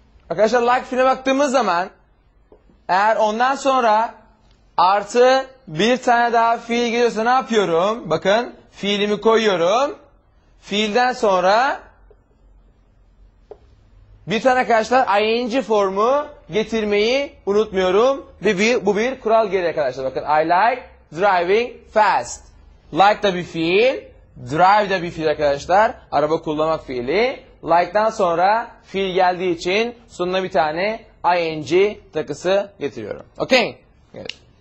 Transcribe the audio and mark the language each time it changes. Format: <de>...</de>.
<tr>Arkadaşlar like filme baktığımız zaman Eğer ondan sonra artı bir tane daha fiil geliyorsa ne yapıyorum? Bakın fiilimi koyuyorum. Fiilden sonra bir tane arkadaşlar ing formu getirmeyi unutmuyorum. Bu bir kural gereği arkadaşlar. Bakın</tr> <en>I like driving fast.</en> <tr>Like da bir fiil. Drive da bir fiil arkadaşlar. Araba kullanmak fiili. Like'dan sonra fiil geldiği için sonuna bir tane ing takısı getiriyorum. Okay. Evet.</tr>